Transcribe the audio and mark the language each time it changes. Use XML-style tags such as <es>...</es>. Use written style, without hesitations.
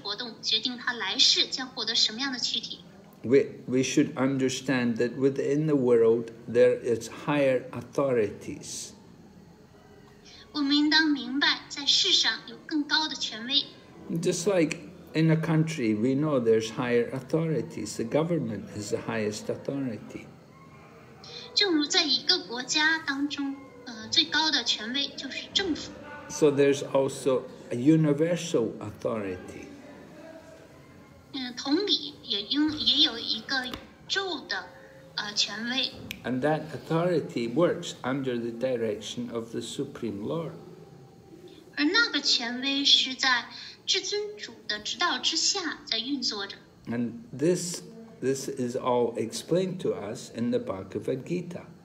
<zh>生物在躯体这个现有躯体当中所从事的活动决定它来世将获得什么样的躯体。</zh> <en>We should understand that within the world there is higher authorities.</en> <zh>我们应当明白在世上有更高的权威。</zh> <en>Just like in a country, we know there's higher authorities. The government is the highest authority.</en> <zh>正如在一个国家当中，最高的权威就是政府。</zh> <en>So there's also a universal authority.</en> <zh>同理也有一个宙的权威。</zh> <en>And that authority works under the direction of the Supreme Lord.</en> <zh>而那个权威是在</zh> <en>And this is all explained to us in the Bhagavad Gita.</en>